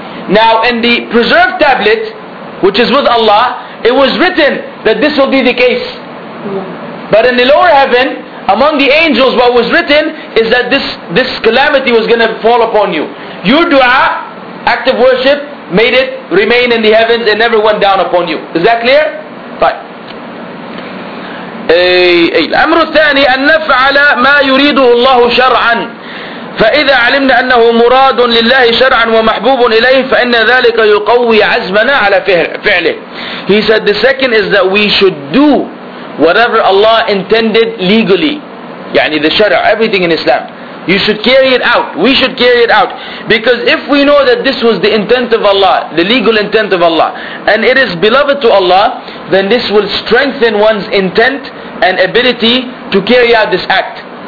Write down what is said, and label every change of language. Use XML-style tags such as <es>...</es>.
<en>Now in the preserved tablet, which is with Allah, it was written that this will be the case. But in the lower heaven, among the angels, what was written is that this calamity was going to fall upon you. Your dua, act of worship, made it remain in the heavens and never went down upon you. Is that clear? Fine.</en> <ar>الأمر الثاني أن نفعل ما يريده الله شرعا فإذا علمنا أنه مراد لله شرعا ومحبوب إليه فإن ذلك يقوي عزمنا على فعله.</ar> <en>He said the second is that we should do whatever Allah intended legally. يعني the شرع, everything in Islam. You should carry it out. We should carry it out. Because if we know that this was the intent of Allah, the legal intent of Allah, and it is beloved to Allah, then this will strengthen one's intent and ability to carry out this act.</en>